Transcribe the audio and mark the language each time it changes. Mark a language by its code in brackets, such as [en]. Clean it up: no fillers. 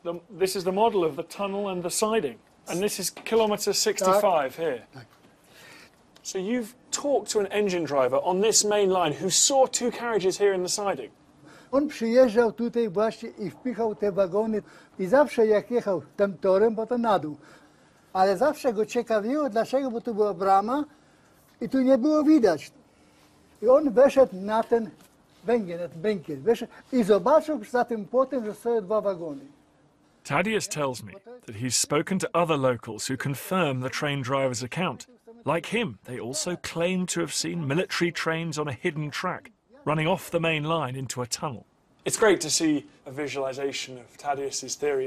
[en] This is the model of the tunnel and the siding. And this is kilometer 65 here. So you've talked to an engine driver on this main line who saw two carriages here in the siding. [pl] On przyjeżdżał tutaj właśnie i wpichał te wagony i zawsze jak jechał tym torem, bo to na dół. Ale zawsze go ciekawiło, dlaczego, bo tu była brama i tu nie było widać. I on wyszedł na ten węgiel, na ten bękiel. I zobaczył za tym płotem, że stoją dwa wagony. [en] Tadeusz tells me that he's spoken to other locals who confirm the train driver's account. Like him, they also claim to have seen military trains on a hidden track, running off the main line into a tunnel. It's great to see a visualization of Tadeusz's theory.